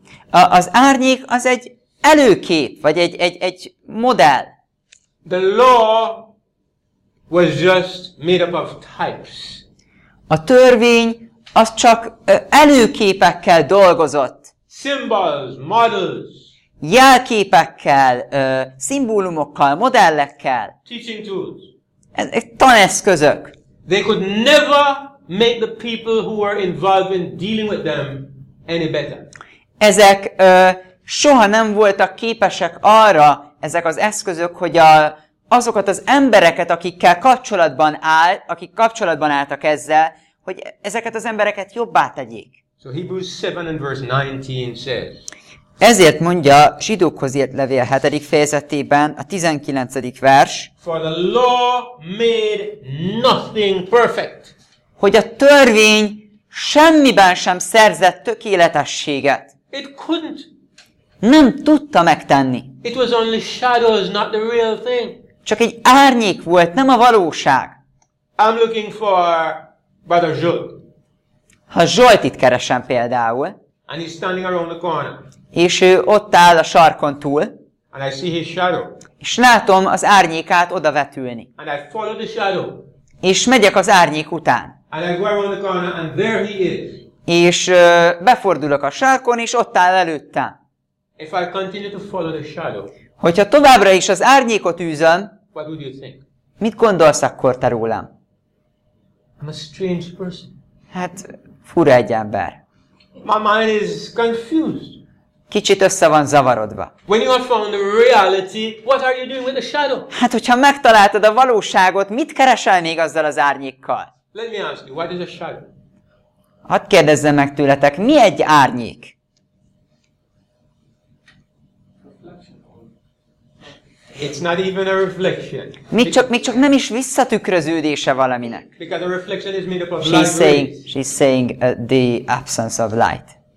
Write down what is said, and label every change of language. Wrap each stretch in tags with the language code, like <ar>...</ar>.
<hu>Az árnyék az egy előkép, vagy egy modell.</hu> <en>The law was just made up of types.</en> <hu>A törvény az csak előképekkel dolgozott.</hu> <en>Symbols, models.</en> <hu>Jelképekkel, szimbólumokkal, modellekkel.</hu> <en>Teaching tools.</en> <hu>Ezek taneszközök.</hu> <en>They could never make the people who were involved in dealing with them any better.</en> <hu>Ezek soha nem voltak képesek arra, ezek az eszközök, hogy azokat az embereket, akikkel kapcsolatban áll, akik kapcsolatban álltak ezzel, hogy ezeket az embereket jobbá tegyék.</hu> <en>So Hebrews 7 and verse 19 says.</en> <hu>Ezért mondja Zsidókhoz írt levél 7. fejezetében a 19. vers.</hu> <en>For the law made nothing perfect.</en> <hu>Hogy a törvény semmiben sem szerzett tökéletességet.</hu> <en>It couldn't.</en> <hu>Nem tudta megtenni.</hu> <en>It was only shadows, not the real thing.</en> <hu>Csak egy árnyék volt, nem a valóság.</hu> <en>I'm looking for Brother Zsolt.</en> <hu>Ha Zsoltit keresem például.</hu> <en>And he's standing around the corner.</en> <hu>És ő ott áll a sarkon túl.</hu> <en>And I see his shadow.</en> <hu>És látom az árnyékát oda vetülni.</hu> <en>And I follow the shadow.</en> <hu>És megyek az árnyék után.</hu> <en>And I go around the corner and there he is.</en> <hu>És befordulok a sarkon, és ott áll előttem.</hu> <en>If I continue to follow the shadow,</en> <hu>hogyha továbbra is az árnyékot űzöm,</hu> <en>what would you think?</en> <hu>Mit gondolsz akkor te rólam?</hu> <en>I'm a strange person.</en> <hu>Hát, fura egy ember.</hu> <en>My mind is confused.</en> <hu>Kicsit össze van zavarodva.</hu> <en>When you have found the reality, what are you doing with the shadow?</en> <hu>Hát, hogyha megtaláltad a valóságot, mit keresel még azzal az árnyékkal?</hu> <en>Let me ask you, what is a shadow?</en> <hu>Hadd kérdezzem meg tőletek, mi egy árnyék?</hu> <en>It's not even a reflection.</en> <hu>Még csak nem is visszatükröződése valaminek.</hu> <en>Because a reflection is made up of she's saying the absence of light.</en>